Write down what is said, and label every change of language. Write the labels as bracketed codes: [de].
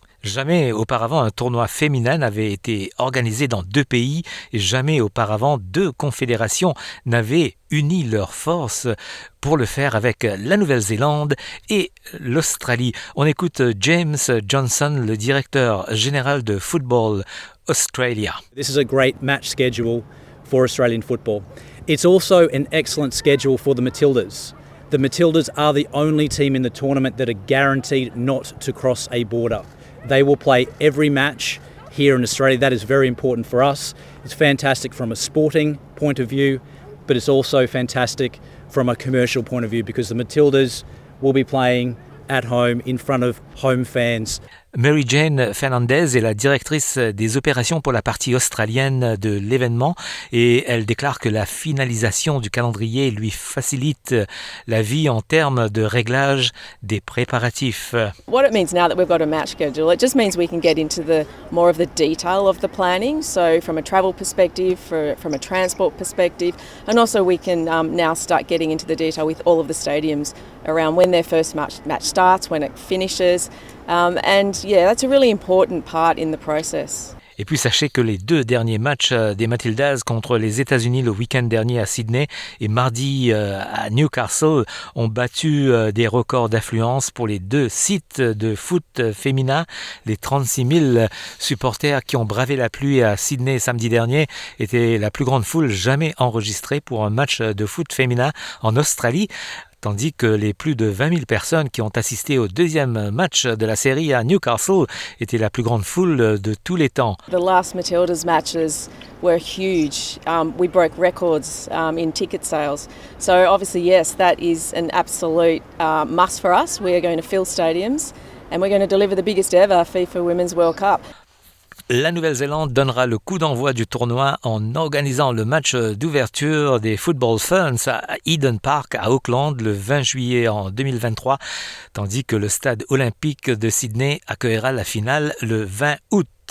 [fr] Jamais auparavant un tournoi féminin n'avait été organisé dans deux pays et jamais auparavant deux confédérations n'avaient uni leurs forces pour le faire avec la Nouvelle-Zélande et l'Australie. On écoute James Johnson, le directeur général de Football Australia. [en] This is a great match schedule for Australian football. It's also an excellent schedule for the Matildas. The Matildas are the only team in the tournament that are guaranteed not to cross a border. They will play every match here in Australia. That is very important for us. It's fantastic from a sporting point of view, but it's also fantastic from a commercial point of view because the Matildas will be playing at home in front of home fans. [fr] Mary Jane Fernandez est la directrice des opérations pour la partie australienne de l'événement et elle déclare que la finalisation du calendrier lui facilite la vie en termes de réglage des préparatifs. [en] What it means now that we've got a match schedule, it just means we can get into the more of the detail of the planning. So from a travel perspective, from a transport perspective, and also we can now start getting into the detail with all of the stadiums around when their first match starts, when it finishes. And yeah, that's a really important part in the process. [fr] Et puis sachez que les deux derniers matchs des Matildas contre les États-Unis le week-end dernier à Sydney et mardi à Newcastle ont battu des records d'affluence pour les deux sites de foot féminin. Les 36 000 supporters qui ont bravé la pluie à Sydney samedi dernier étaient la plus grande foule jamais enregistrée pour un match de foot féminin en Australie. Tandis que les plus de 20 000 personnes qui ont assisté au deuxième match de la série à Newcastle étaient la plus grande foule de tous les temps. [en] The last Matildas matches were huge. We broke records in ticket sales. So obviously, yes, that is an absolute must for us. We are going to fill stadiums and we're going to deliver the biggest ever FIFA Women's World Cup. [fr] La Nouvelle-Zélande donnera le coup d'envoi du tournoi en organisant le match d'ouverture des Football Ferns à Eden Park à Auckland le 20 juillet en 2023, tandis que le stade olympique de Sydney accueillera la finale le 20 août.